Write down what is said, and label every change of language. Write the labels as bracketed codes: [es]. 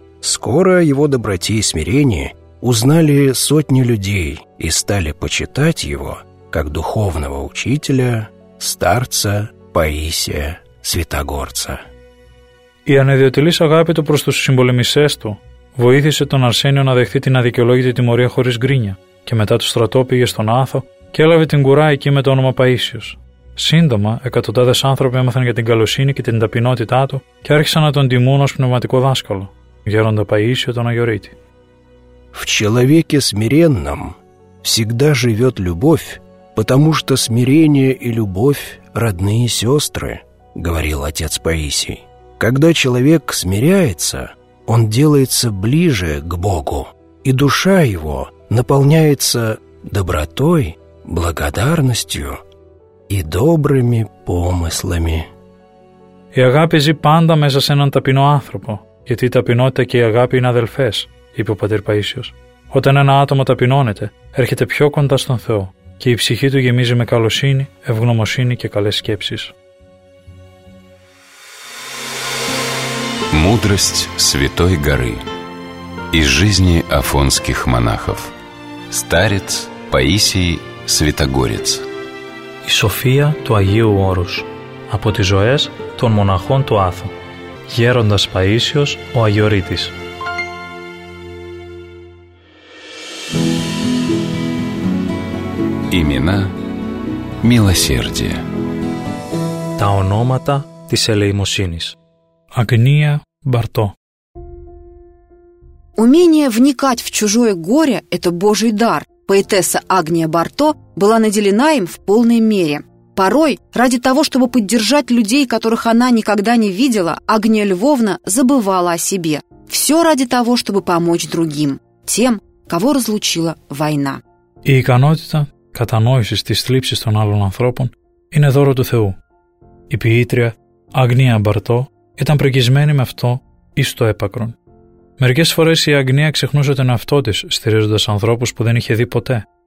[ru] Скоро о его доброте и смирении узнали сотни людей и стали почитать его как духовного учителя, старца Паисия Святогорца. [el] Η ανεδιοτελής αγάπη του προς τους συμπολεμησές του βοήθησε τον Αρσένιο να δεχθεί την αδικαιολόγητη τιμωρία χωρίς γκρίνια και μετά το στρατό πήγε στον Άθο και έλαβε την κουρά εκεί με το όνομα Παΐσιος. Σύντομα, εκατοντάδες άνθρωποι έμαθαν για την καλοσύνη και την ταπεινότητά του και άρχισαν να τον τιμούν ως πνευματικό δάσκαλο, γέροντα Παΐσιο τον Αγιορείτη. [ru] В человеке смиренном всегда живет любовь, потому что смирение и любовь родные сестры, говорил отец Паисий. Когда человек смиряется, он делается ближе к Богу, и душа его наполняется добротой, благодарностью и добрыми помыслами. [el] Η αγάπη ζει πάντα μέσα σε έναν ταπεινό άνθρωπο, γιατί η ταπεινότητα και η αγάπη είναι αδελφές, είπε ο πατήρ Παΐσιος. Όταν ένα άτομο ταπεινώνεται, έρχεται πιο κοντά στον Θεό και η ψυχή του γεμίζει με καλοσύνη, ευγνωμοσύνη και καλές σκέψεις. [ru] Мудрость Святой Горы из жизни афонских монахов. Старец Паисий Святогорец. [el] Η σοφία του Αγίου Όρους από τις ζωές των μοναχών του Άθου. Γέροντας Παΐσιος ο Αγιορείτης. [ru] Имена милосердия. [el] Τα ονόματα της ελεημοσύνης. [ru] Агния Барто. Умение вникать в чужое горе – это Божий дар. Поэтесса Агния Барто была наделена им в полной мере. Порой, ради того, чтобы поддержать людей, которых она никогда не видела, Агния Львовна забывала о себе. Все ради того, чтобы помочь другим, тем, кого разлучила война. [el] Η ικανότητα κατανόησης της θλίψης των άλλων ανθρώπων είναι δώρο του Θεού. Η ποιήτρια Αγνία Μπαρτό ήταν πρικισμένη με αυτό εις το έπακρον. Μερικές φορές η Αγνία ξεχνούσε τον εαυτό της, στηρίζοντας ανθρώπους που δεν είχε δει ποτέ.